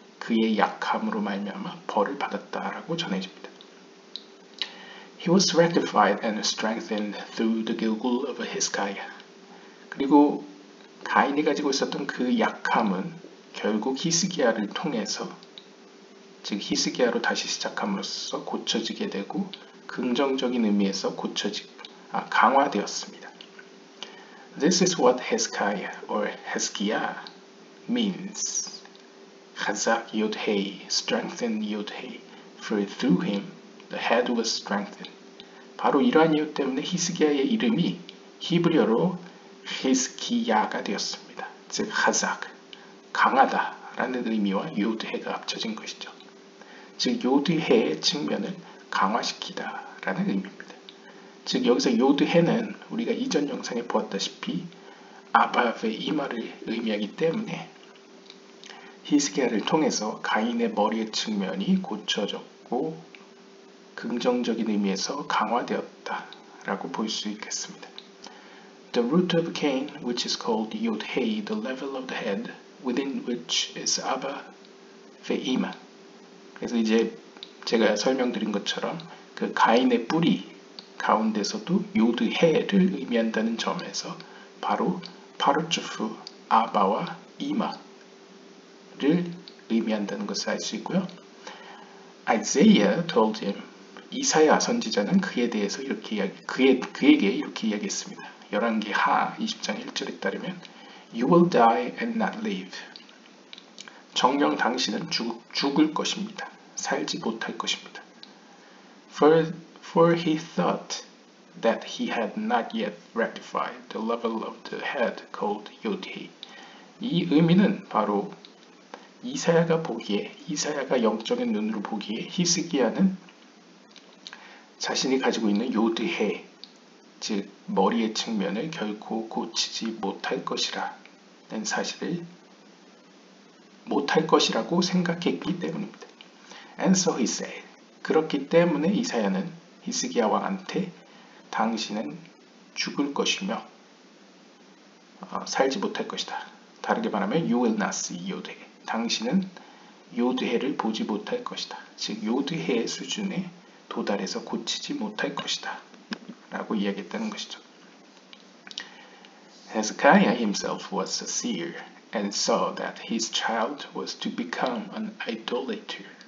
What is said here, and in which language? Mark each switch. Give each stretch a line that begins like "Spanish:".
Korean: 그의 약함으로 말미암아 벌을 받았다라고 전해집니다.
English: He was rectified and strengthened through the Gilgul of Hiskiah.
Korean: 그리고 가인이 가지고 있었던 그 약함은 결국 히스기야를 통해서 즉 히스기야로 다시 시작함으로써 고쳐지게 되고 긍정적인 의미에서 강화되었습니다.
English: This is what Hezekiah or Hezekiah means. Chazak yod hei, strengthen yod hei. For through him, the head was strengthened.
Korean: 바로 이러한 이유 때문에 히스기야의 이름이 히브리어로 히스기야가 되었습니다. 즉 하작, 강하다라는 의미와 요드해가 합쳐진 것이죠. 즉 요드해의 측면을 강화시키다라는 의미입니다. 즉 여기서 요드해는 우리가 이전 영상에 보았다시피 아바브의 이마를 의미하기 때문에 히스기야를 통해서 가인의 머리의 측면이 고쳐졌고 긍정적인 의미에서 강화되었다라고 볼수 있겠습니다.
English: The root of Cain, which is called Yod-Heh, the level of the head, within which is Abba Ve'ima.
Korean: 그래서 이제 제가 설명드린 것처럼 그 가인의 뿌리 가운데서도 요드해를 의미한다는 점에서 바로 파르츠프 아바와 이마를 의미한다는 것을 알 수 있고요.
English: Isaiah told him,
Korean: 이사야 선지자는 그에 대해서 이렇게 이야기, 그에게 이렇게 이야기했습니다. 열왕기하 20장 1절에 따르면
English: You will die and not live.
Korean: 정녕 당신은 죽을 것입니다. 살지 못할 것입니다.
English: For he thought that he had not yet rectified the level of the head called Yod-Heh.
Korean: 이 의미는 바로 이사야가 영적인 눈으로 보기에 히스기야는 자신이 가지고 있는 요드해 즉 머리의 측면을 결코 고치지 못할 것이라는 사실을 못할 것이라고 생각했기 때문입니다.
English: And so he said.
Korean: 그렇기 때문에 이사야는 히스기야 왕한테 당신은 죽을 것이며 살지 못할 것이다. 다르게 말하면
English: you will not see 요드해.
Korean: 당신은 요드해를 보지 못할 것이다. 즉 요드해의 수준에 도달해서 고치지 못할 것이다. 라고 이야기했다는 것이죠.
English: Hezekiah himself was a seer and saw that his child was to become an idolater.